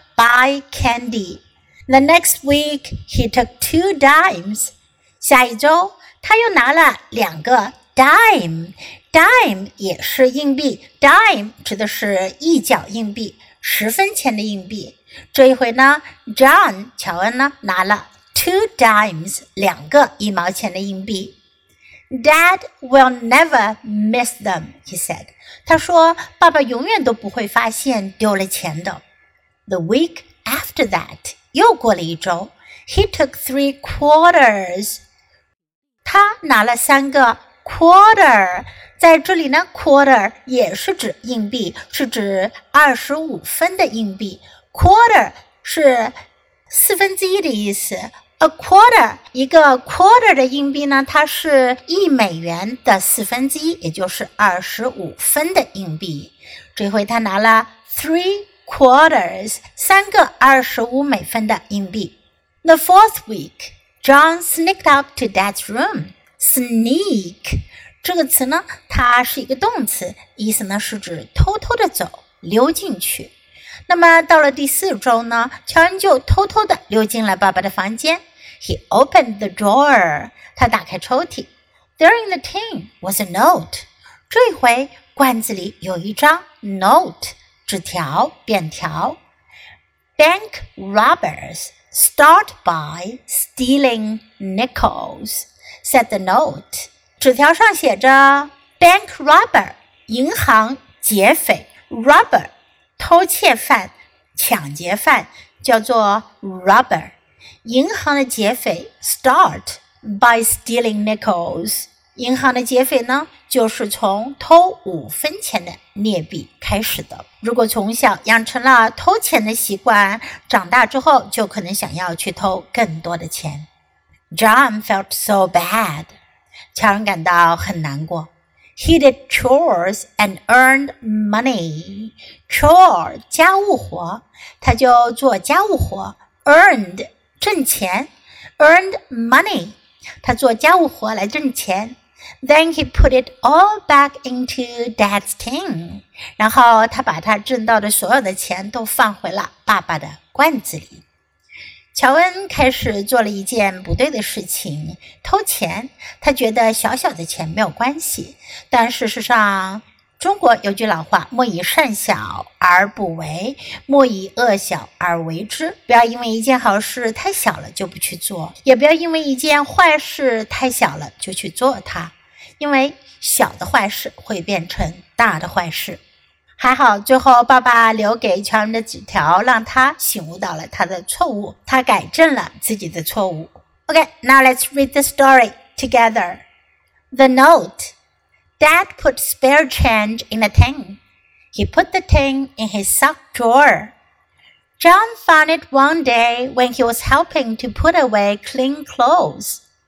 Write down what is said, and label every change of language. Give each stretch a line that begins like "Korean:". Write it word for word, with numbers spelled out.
English: Buy candy. The next week, he took two dimes.
Chinese: 下一周，他又拿了两个 dime. Dime 也是硬币 ,dime 指的是一角硬币，十分钱的硬币。这一回呢 ,John 乔恩呢拿了
English: two dimes,
Chinese: 两个一毛钱的硬币。
English: Dad will never miss them, he said.
Chinese: 他说，爸爸永远都不会发现丢了钱的。
English: The week after that,
Chinese: 又过了一周
English: he took three quarters.
Chinese: 他拿了三个 quarter. 在这里呢 quarter 也是指硬币，是指二十五分的硬币。 quarter 是四分之一的意思。 A quarter, 一个 quarter 的硬币呢，它是一美元的四分之一，也就是二十五分的硬币。这回他拿了
English: three quarters,
Chinese: 三个二十五美分的硬币。
English: The fourth week, John sneaked up to Dad's room.
Chinese: Sneak 这个词呢，它是一个动词，意思呢是指偷偷的走，溜进去。那么到了第四周呢，乔恩就偷偷的溜进了爸爸的房间。
English: He opened the drawer.
Chinese: 他打开抽屉。
English: There in the tin was a note.
Chinese: 这回罐子里有一张 note 纸条便条。
English: Bank robbers start by stealing nickels, said the note.
Chinese: 纸条上写着 bank robber 银行劫匪 robber 偷窃犯抢劫犯叫做 robber。银行的劫匪
English: start by stealing nickels。
Chinese: 银行的劫匪呢，就是从偷五分钱的劣币开始的。如果从小养成了偷钱的习惯，长大之后就可能想要去偷更多的钱。
English: John felt so bad.
Chinese: 乔恩感到很难过。
English: He did chores and earned money.
Chinese: Chore 家务活，他就做家务活。 Earned 挣钱 ，
English: earned money
Chinese: 他做家务活来挣钱。
English: Then he put it all back into Dad's tin.
Chinese: 然后他把他挣到的所有的钱都放回了爸爸的罐子里。乔恩开始做了一件不对的事情，偷钱。他觉得小小的钱没有关系，但事实上，中国有句老话，莫以善小而不为，莫以恶小而为之。不要因为一件好事太小了就不去做，也不要因为一件坏事太小了就去做它，因为小的坏事会变成大的坏事。还好最后爸爸留给乔恩的纸条让他醒悟到了他的错误，他改正了自己的错误。
English: Okay, now let's read the story together. The note. Dad put spare change in a tin. He put the tin in his sock drawer. John found it one day when he was helping to put away clean clothes.